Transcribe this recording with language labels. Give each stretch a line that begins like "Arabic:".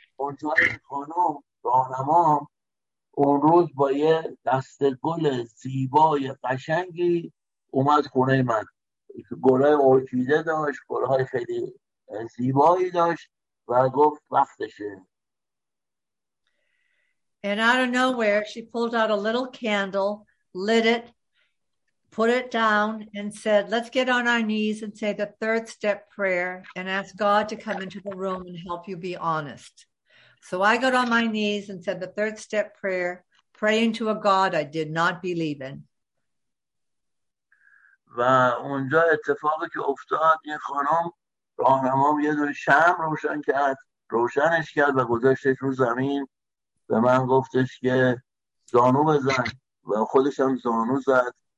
Persian: منتها این خانم راهنمام اون روز با یه دست گل زیبای قشنگی اومد خونه من، گلای ارکیده داشت، گلهای خیلی زیبایی داشت و گفت وقتشه.
English: And out of nowhere, she pulled out a little candle, lit it, put it down, and said, let's get on our knees and say the third step prayer and ask God to come into the room and help you be honest. So I got on my knees and said the third step prayer, praying to a God I did not believe in.
Persian: و اونجا اتفاقی که افتاد این خانم راهنمام یه دونه شمع روشن کرد، روشنش کرد و گذاشتش رو زمین و من گفتش که زانو بزن و خودش هم زانو زد.